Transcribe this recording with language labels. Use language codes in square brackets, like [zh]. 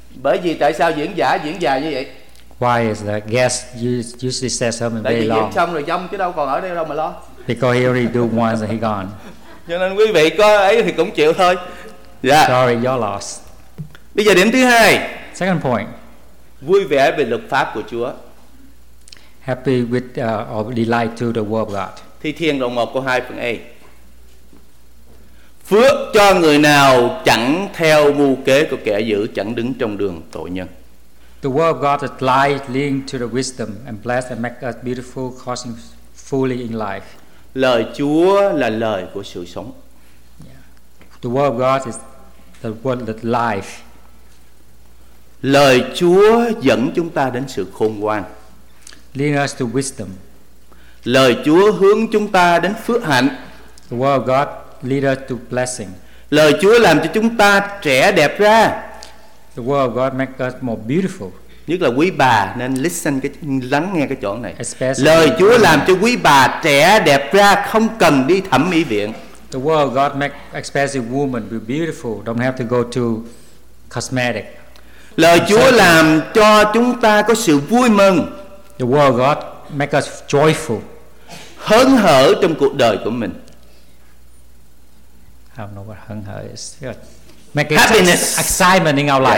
[vi] Bởi vì tại sao diễn giả diễn dài như vậy? [en] Why is the guest usually says sermon very long? [vi] Tại vì diễn xong rồi dông chứ đâu còn ở đây đâu mà lo. [en] Because he already do once and he gone. [vi] Cho nên quý vị có ấy thì cũng chịu thôi. [en] Yeah. Sorry, your loss. [vi] Bây giờ điểm thứ hai. [en] Second point. [vi] Vui vẻ về luật pháp của Chúa. [en] Happy with or delight to the word of God. [vi] Thi Thiên đoạn 1 câu 2 phần A. Phước cho người nào chẳng theo mưu kế của kẻ dữ, chẳng đứng trong đường tội nhân. [en] The word of God is light leading to the wisdom and bless and make us beautiful causing fully in life. [vi] Lời Chúa là lời của sự sống. [en] Yeah. The word of God is the word that life. [vi] Lời Chúa dẫn chúng ta đến sự khôn ngoan. [en] Lead us to wisdom. [vi] Lời Chúa hướng chúng ta đến phước hạnh. [en] The word of God lead us to blessing. [vi] Lời Chúa làm cho chúng ta trẻ đẹp ra. [en] The word of God make us more beautiful. [vi] Nhất là quý bà nên listen cái lắng nghe cái chỗ này. [en] Especially [vi] lời Chúa làm cho quý bà trẻ đẹp ra không cần đi thẩm mỹ viện. [en] The word of God make especially woman be beautiful, don't have to go to cosmetic. [vi] Lời Chúa làm cho chúng ta có sự vui mừng. [en] The word of God make us joyful. [vi] Hớn hở trong cuộc đời của mình. [en] I don't know what hớn hở is. Make happiness, excitement in our life.